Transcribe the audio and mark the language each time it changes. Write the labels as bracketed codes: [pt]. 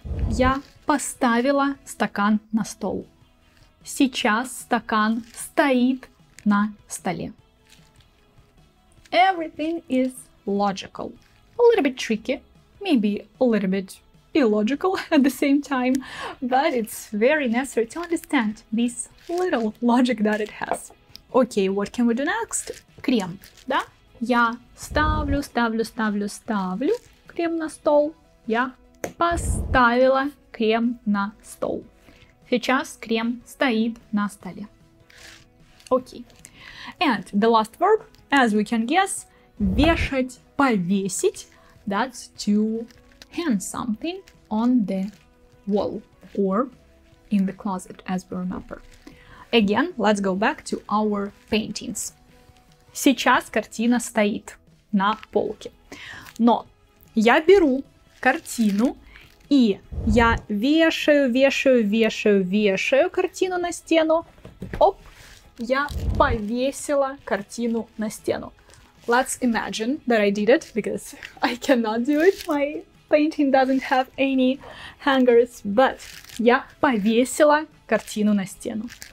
[ru] Я поставила стакан на стол. Сейчас стакан стоит на столе. [en] Everything is logical. A little bit tricky, maybe a little bit illogical at the same time, but it's very necessary to understand this little logic that it has. Okay, what can we do next? [ru] Крем, да? Я ставлю крем на стол. Я поставила крем на стол. Сейчас крем стоит на столе. [en] Okay. And the last verb, as we can guess, [ru] вешать-повесить. [en] That's to hang something on the wall or in the closet, as we remember. Again, let's go back to our paintings. [ru] Сейчас картина стоит на полке. Но я беру картину и я вешаю картину на стену. Оп, я повесила картину на стену. [en] Let's imagine that I did it because I cannot do it. My painting doesn't have any hangers, but [ru] я повесила картину на стену.